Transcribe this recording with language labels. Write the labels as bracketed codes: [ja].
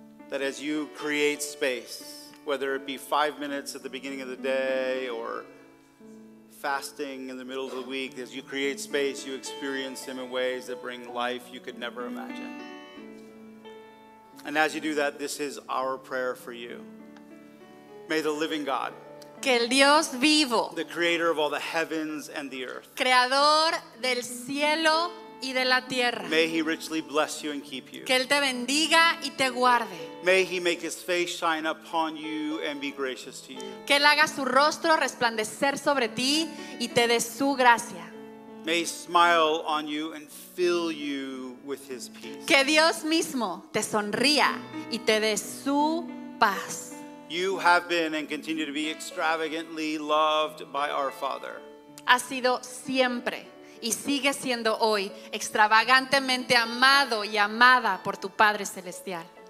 [en] That as you create space, whether it be 5 minutes at the beginning of the day or fasting in the middle of the week, as you create space, you experience him in ways that bring life you could never imagine. And as you do that, this is our prayer for you. May the living God, [es] que el Dios vivo, [en] the creator of all the heavens and the earth, [es] creador del cielo y de la tierra, [en] may he richly bless you and keep you, [es] que él te bendiga y te guarde, [en] may he make his face shine upon you and be gracious to you, [es] que él haga su rostro resplandecer sobre ti y te dé su gracia, [en] may he smile on you and fill you with his peace, [es] que Dios mismo te sonría y te dé su paz. [en] You have been and continue to be extravagantly loved by our Father. [es] Ha sido siempre y sigue siendo hoy extravagantemente amado y amada por tu Padre Celestial.